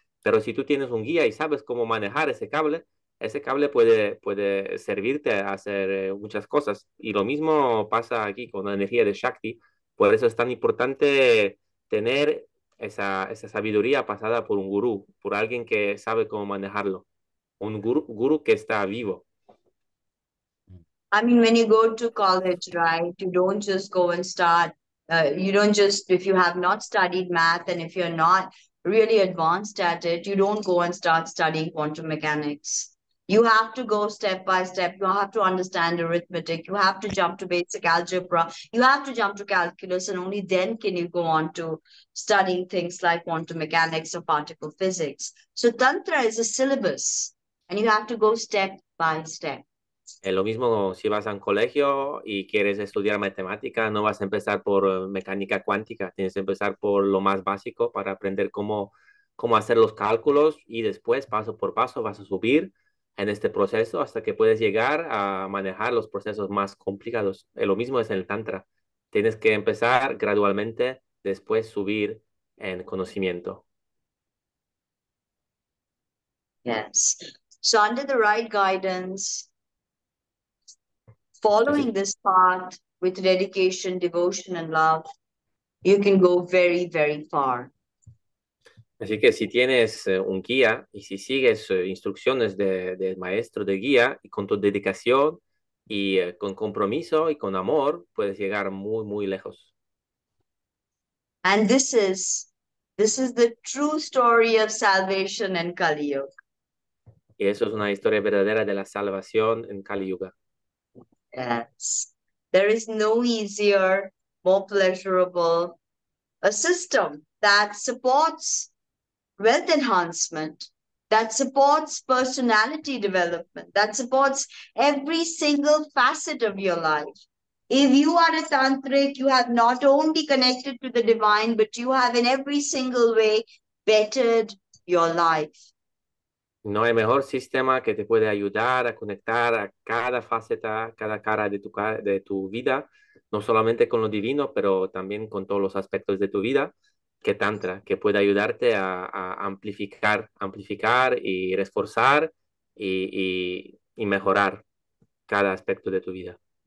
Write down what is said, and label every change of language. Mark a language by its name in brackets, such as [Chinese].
[Spanish] Pero si tú tienes un guía y sabes cómo manejar ese cable, ese cable puede servirte a hacer muchas cosas. Y lo mismo pasa aquí con la energía de Shakti. Por eso es tan importante tener esa sabiduría pasada por un gurú, por alguien que sabe cómo manejarlo. Un gurú que está vivo. [English] I mean, when you go to college, right, you don't just go and start. You don't just, if you have not studied math and if you're not really advanced at it, you don't go and start studying quantum mechanics. You have to go step by step. You have to understand arithmetic. You have to jump to basic algebra. You have to jump to calculus. And only then can you go on to studying things like quantum mechanics or particle physics. So Tantra is a syllabus. And you have to go step by step. [Spanish] Lo mismo si vas a un colegio y quieres estudiar matemática, no vas a empezar por mecánica cuántica. Tienes que empezar por lo más básico para aprender cómo hacer los cálculos y después, paso por paso, vas a subir en este proceso hasta que puedes llegar a manejar los procesos más complicados. Lo mismo es en el Tantra. Tienes que empezar gradualmente, después subir en conocimiento. [English] Yes. So under the right guidance, following this path with dedication, devotion and love, you can go very, very far. [Spanish] Así que si tienes un guía y si sigues instrucciones del maestro de guía y con tu dedicación y con compromiso y con amor, puedes llegar muy, muy lejos. [English] And this is the true story of salvation in Kali Yuga. [Spanish] Y eso es una historia verdadera de la salvación en Kali Yuga. [English] Yes. There is no easier, more pleasurable, a system that supports wealth enhancement, that supports personality development, that supports every single facet of your life. If you are a tantric, you have not only connected to the divine, but you have in every single way bettered your life. [Spanish] No hay mejor sistema que te puede ayudar a conectar a cada faceta, cada cara de tu vida, no solamente con lo divino, pero también con todos los aspectos de tu vida, que Tantra, que puede ayudarte a amplificar y reforzar y mejorar cada aspecto de tu vida.